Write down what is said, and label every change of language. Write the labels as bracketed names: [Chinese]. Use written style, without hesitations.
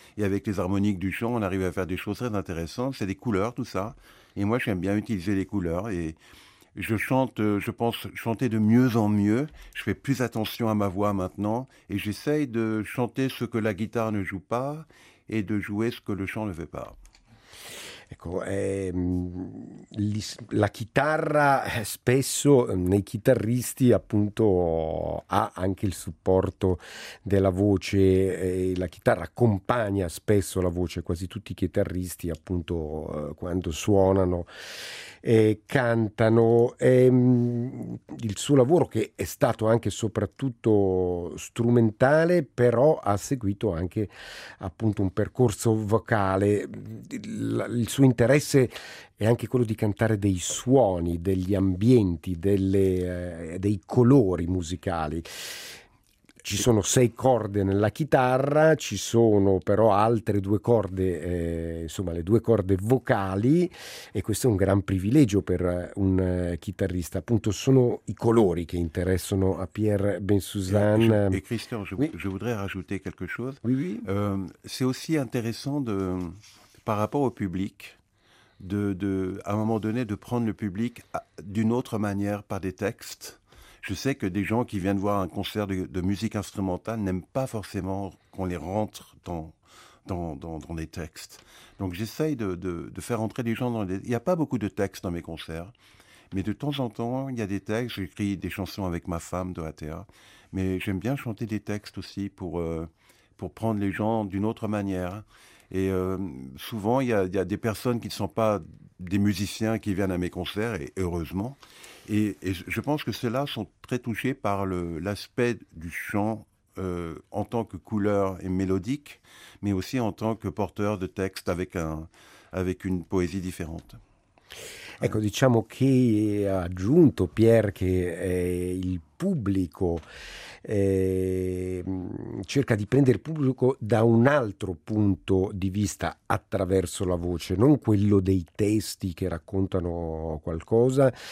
[French] Et avec les harmoniques du chant, on arrive à faire des choses très intéressantes. C'est des couleurs, tout ça. Et moi, j'aime bien utiliser les couleurs et je chante, je pense, chanter de mieux en mieux. Je fais plus attention à ma voix maintenant et j'essaye de chanter ce que la guitare ne joue pas et de jouer ce que le chant ne fait pas. [Italian] Ecco, la chitarra spesso nei chitarristi appunto ha anche il supporto della voce, la chitarra accompagna spesso la voce, quasi tutti i chitarristi appunto quando suonano cantano. Il suo lavoro, che è stato anche soprattutto strumentale, però ha seguito anche appunto un percorso vocale. Il suo interesse è anche quello di cantare dei suoni, degli ambienti, dei colori musicali. Ci sono 6 corde nella chitarra, ci sono però altre 2 corde, insomma le 2 corde vocali, e questo è un gran privilegio per un chitarrista. Appunto sono i colori che interessano a Pierre Bensoussan. [French] E Christian, je voudrais rajouter quelque chose. Oui, oui. C'est aussi intéressant de, par rapport au public, de, à un moment donné, de prendre le public d'une autre manière par des textes. Je sais que des gens qui viennent voir un concert de musique instrumentale n'aiment pas forcément qu'on les rentre dans les textes. Donc j'essaye de faire entrer des gens dans les... Il n'y a pas beaucoup de textes dans mes concerts, mais de temps en temps, il y a des textes. J'écris des chansons avec ma femme, Dorothea, mais j'aime bien chanter des textes aussi pour prendre les gens d'une autre manière. Et souvent, il y a des personnes qui ne sont pas des musiciens qui viennent à mes concerts, et heureusement. Et je pense que ceux-là sont très touchés par l'aspect du chant en tant que couleur et mélodique, mais aussi en tant que porteur de texte avec une poésie différente. [Italian] Ecco, diciamo che ha aggiunto Pierre che il pubblico cerca di prendere il pubblico da un altro punto di vista attraverso la voce, non quello dei testi che raccontano qualcosa.